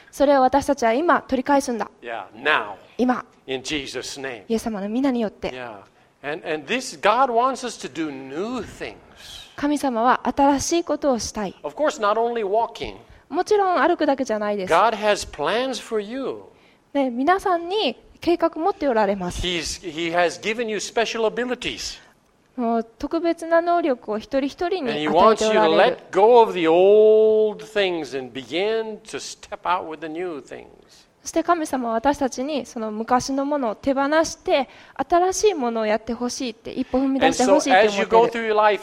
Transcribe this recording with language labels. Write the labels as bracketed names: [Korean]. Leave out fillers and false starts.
[Japanese] それを私たちは今取り返すんだ [English] Yeah, now [Japanese] 今 [English] In Jesus' name [Japanese] イエス様の皆によって [English] YeahAnd this God wants us to do new things. [Japanese] 神様は新しいことをしたい。 [English] Of course, not only walking. [Japanese] もちろん歩くだけじゃないです。 [English] God has plans for you. [Japanese] ね、皆さんに計画持っておられます。 [English] He has given you special abilities. [Japanese] もう特別な能力を一人一人に与えておられる。 [English] And He wants you to let go of the old things and begin to step out with the new things. [Japanese] そして神様は私たちにその昔のものを手放して新しいものをやってほしいって一歩踏み出してほしいって思っている。